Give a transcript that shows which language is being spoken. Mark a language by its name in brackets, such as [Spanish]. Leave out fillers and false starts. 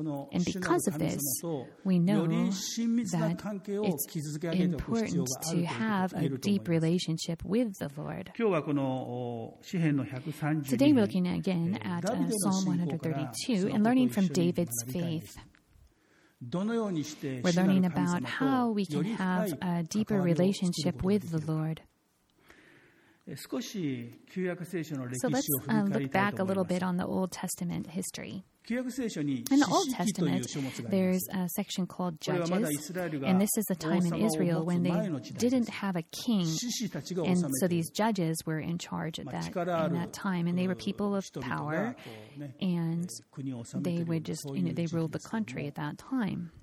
[English] And because of this, we know that it's important to have a deep relationship with the Lord. Today we're looking again at Psalm 132 and learning from David's faith. We're learning about how we can have a deeper relationship with the Lord. [Japanese] 少し旧約聖書の歴史を振り返りたいと思います。 [English] Old Testament history. In the Old Testament, there's a section called Judges, and this is the time in Israel when they didn't have a king, and so these judges were in charge at that, in that time, and they were people of power, and they would just, you know, they ruled the country at that time.